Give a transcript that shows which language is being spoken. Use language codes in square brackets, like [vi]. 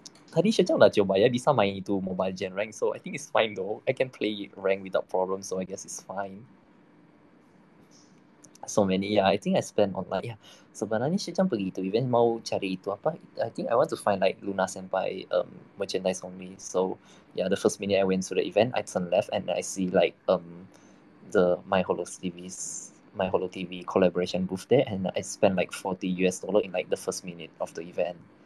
[id] Tadi Shouchan udah coba ya, bisa main itu Mobile Gen rank, [en] so I think it's fine though. I can play rank without problem, so I guess it's fine. So many, yeah, I think I spend online, yeah. [id] Sebenarnya Shouchan pergi itu event, mau cari itu apa? [en] I think I want to find like Luna Senpai merchandise only. So yeah, the first minute I went to the event, I turn left and I see like the My Holo TV collaboration booth there, and I spent like $40 in like the first minute of the event.